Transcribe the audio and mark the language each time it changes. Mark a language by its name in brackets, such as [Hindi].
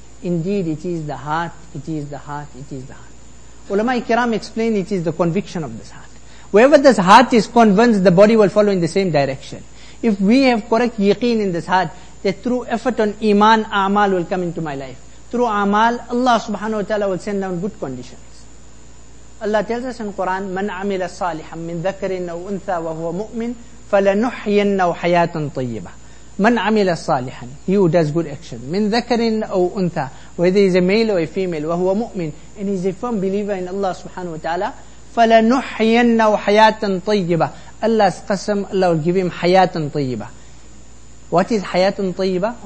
[English] Indeed, it is the heart, it is the heart, it is the heart. Ulama-i-kiram explain it is the conviction of this heart. Wherever this heart is convinced, the body will follow in the same direction. If we have correct yaqeen in this heart, that through effort on iman, a'mal will come into my life. Through a'mal, Allah subhanahu wa ta'ala will send down good conditions. Allah tells us in the Quran, [Arabic] مَنْ عَمِلَ صَالِحًا مِنْ ذَكَرٍ أَوْ أُنْثَى وَهُوَ مُؤْمِنٍ فَلَنُحْيَنَّهُ حَيَاةً طَيِّبَةً. مَنْ عَمِلَ صَالِحًا, [English] he who does good action, [Arabic] مِنْ ذَكَرٍ أَوْ أُنْثَى, [English] whether he is a male or a female, [Arabic] وَهُوَ مُؤْمِنٍ, [English] and he is a firm believer in Allah subhanahu wa ta'ala, [Arabic] فَلَنُحْيَنَّهُ حَيَاةً طَيِّبَةً. [English] Allah's qasam, Allah will give him [Arabic] حَيَاةً طَيِّبَةً. [English] What is حَيَاةً طَيِّبَةً?